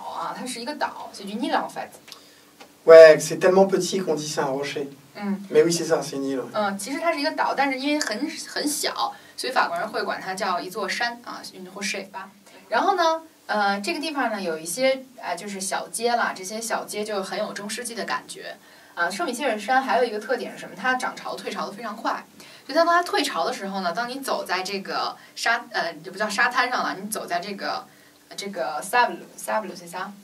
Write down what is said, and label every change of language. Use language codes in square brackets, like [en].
[zh] 好，那下面呢，我们来讲一讲圣米歇尔山。圣米歇尔山的位置呢是在诺曼底啊，诺曼底这个大区啊。大家可以看到啊，这个是一个岛啊，它是一个岛， [fr] c'est une île en fait. Ouais, c'est tellement petit qu'on dit c'est un rocher. Mais oui, c'est ça, c'est une île. [zh] 嗯，其实它是一个岛，但是因为很小，所以法国人会管它叫一座山啊， [fr] une rocher [zh] 吧。然后呢？这个地方呢，有一些就是小街啦，这些小街就很有中世纪的感觉。圣米歇尔山还有一个特点是什么？它涨潮退潮的非常快，就当它退潮的时候呢，当你走在这个沙，也不叫沙滩上了，你走在这个sable， [fr] c'est ça？